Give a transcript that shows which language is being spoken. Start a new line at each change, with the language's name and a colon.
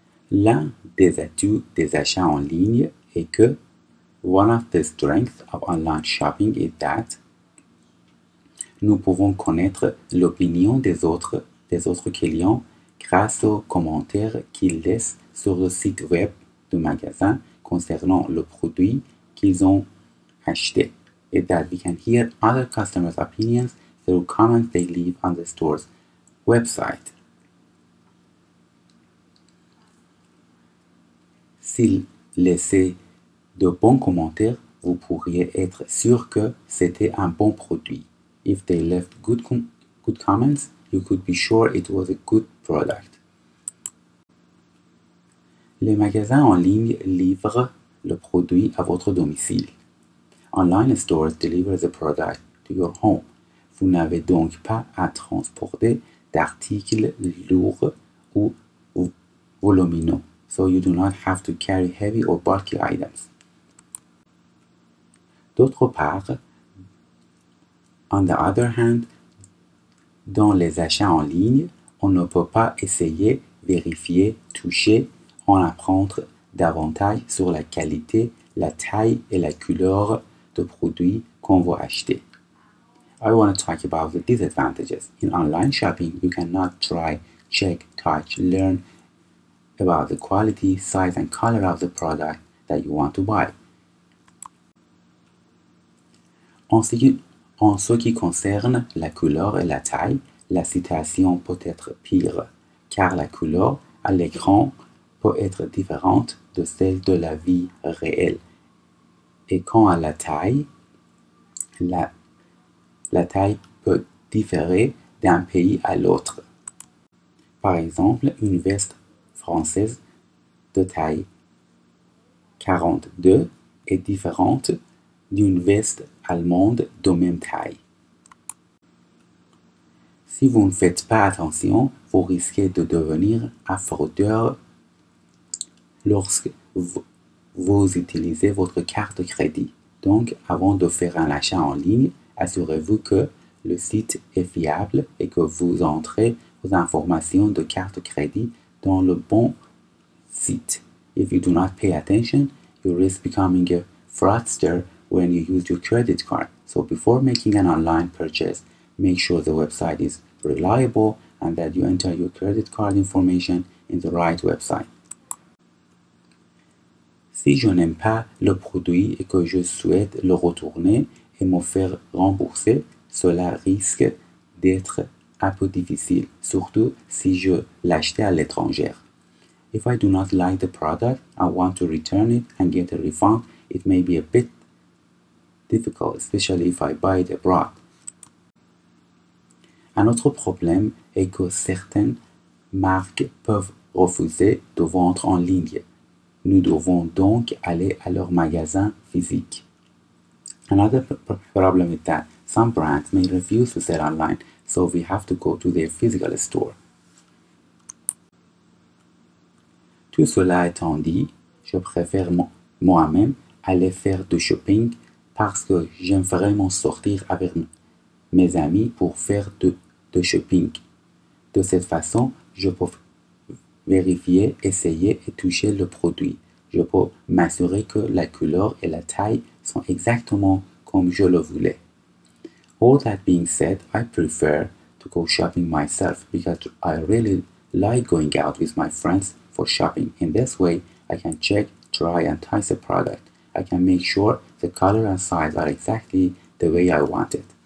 French: L'un des atouts des achats en ligne est que
English: one of the strengths of online shopping is that
French: nous pouvons connaître l'opinion des autres clients grâce aux commentaires qu'ils laissent sur le site web du magasin concernant le produit qu'ils ont acheté. Et
English: that we can hear other customers' opinions through comments they leave on the store's website.
French: S'ils laissaient de bons commentaires, vous pourriez être sûr que c'était un bon produit.
English: If they left good comments, you could be sure it was a good product.
French: Les magasins en ligne livrent le produit à votre domicile.
English: Online stores deliver the product to your home.
French: Vous n'avez donc pas à transporter d'articles lourds ou volumineux.
English: So you do not have to carry heavy or bulky items.
French: D'autre part,
English: on the other hand,
French: dans les achats en ligne, on ne peut pas essayer, vérifier, toucher, en apprendre davantage sur la qualité, la taille et la couleur de produits qu'on va acheter.
English: I want to talk about the disadvantages. In online shopping, you cannot try, check, touch, learn about the quality, size, and color of the product that you want to buy.
French: En ce qui concerne la couleur et la taille, la situation peut être pire, car la couleur à l'écran peut être différente de celle de la vie réelle. Et quant à la taille, la taille peut différer d'un pays à l'autre. Par exemple, une veste française de taille 42 est différente d'une veste allemande de même taille. Si vous ne faites pas attention, vous risquez de devenir un fraudeur lorsque vous utilisez votre carte de crédit. Donc, avant de faire un achat en ligne, assurez-vous que le site est fiable et que vous entrez vos informations de carte de crédit dans le bon site.
English: If you do not pay attention, you risk becoming a fraudster when you use your credit card. So before making an online purchase, make sure the website is reliable and that you enter your credit card information in the right website.
French: Si je n'aime pas le produit et que je souhaite le retourner et me faire rembourser, cela risque d'être un peu difficile, surtout si je l'achetais à l'étranger.
English: If I do not like the product, I want to return it and get a refund, it may be a bit difficult, especially if I buy it abroad.
French: Un autre problème est que certaines marques peuvent refuser de vendre en ligne. Nous devons donc aller à leur magasin physique.
English: Another problem is that some brands may refuse to sell online, so we have to go to their physical store.
French: Tout cela étant dit, je préfère moi-même aller faire du shopping parce que j'aime vraiment sortir avec mes amis pour faire de shopping. De cette façon, je peux vérifier, essayer et toucher le produit. Je peux m'assurer que la couleur et la taille sont exactement comme je le voulais.
English: All that being said, I prefer to go shopping myself because I really like going out with my friends for shopping. In this way, I can check, try and touch the product. I can make sure the color and size are exactly the way I want it.